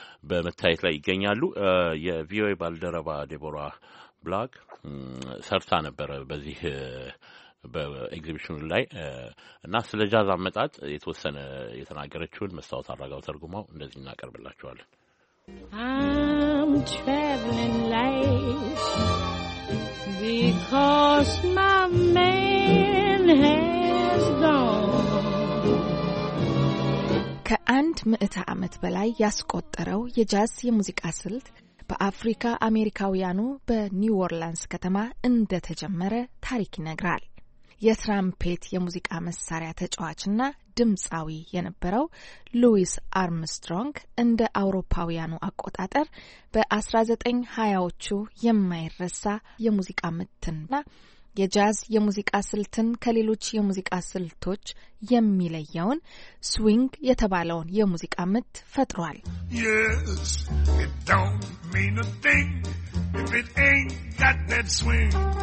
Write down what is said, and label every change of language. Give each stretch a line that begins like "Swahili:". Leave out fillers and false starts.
Amharic: በመታየት ላይ ይገኛሉ። የቪኦኤ ባልደረባ ዴቦራ ብላክ ሰርታ ነበረ በዚህ በኤግዚቢሽኑ ላይ እና ስለ ጃዝ አመጣጥ የተወሰነ የተናገረችውን መስታወት አድራጋው ተርጉማው እንደዚህ እናቀርብላችኋለን።
English: I'm traveling light because my man has gone.
Amharic: ከአንድ ምዕተ ዓመት በላይ ያስቆጠረው የጃዝ የሙዚቃ ስልት በአፍሪካ አሜሪካውያኑ በኒው ኦርላንስ ከተማ እንደተጀመረ ታሪክ ይነግራል። የትራምፔት የሙዚቃ መሳሪያ ተጫዋችና ድምጻዊ የነበረው ሉዊስ አርምስትሮንግ እንደ አውሮፓውያኑ አቆጣጠር በ1920ዎቹ የማይረሳ የሙዚቃ ምትና የጃዝ የሙዚቃ ስልትን ከሌሎች የሙዚቃ ስልቶች የሚለየውን ስዊንግ የተባለውን የሙዚቃ ምት ፈጥሯል።
English: Yes, it don't mean a thing if it ain't got that swing.